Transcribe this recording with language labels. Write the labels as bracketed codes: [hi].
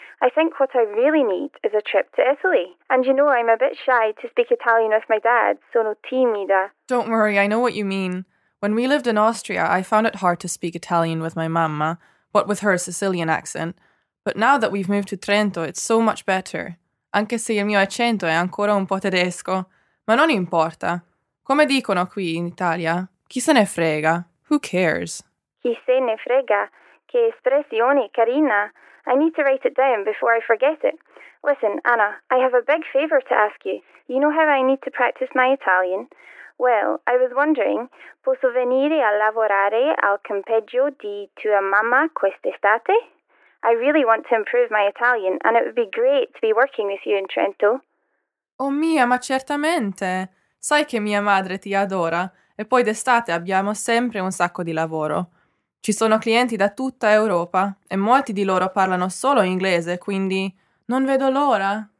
[en] I think what I really need is a trip to Italy. And you know, I'm a bit shy to speak Italian with my dad. [it] Sono timida. [en] Don't worry, I know what you mean. When we lived in Austria, I found it hard to speak Italian with my mamma, what with her Sicilian accent. But now that we've moved to Trento, it's so much better. [it] Anche se il mio accento è ancora un po' tedesco. Ma non importa. Come dicono qui in Italia? Chi se ne frega? [en] Who cares? [it] Chi se ne frega? Che espressione carina. [en] I need to write it down before I forget it. Listen, Anna, I have a big favor to ask you. You know how I need to practice my Italian? Well, I was wondering, [it] posso venire a lavorare al campeggio di tua mamma quest'estate? [en] I really want to improve my Italian, and it would be great to be working with you in Trento. [it] Oh mia, ma certamente. Sai che mia madre ti adora. E poi d'estate abbiamo sempre un sacco di lavoro. Ci sono clienti da tutta Europa e molti di loro parlano solo inglese, quindi non vedo l'ora.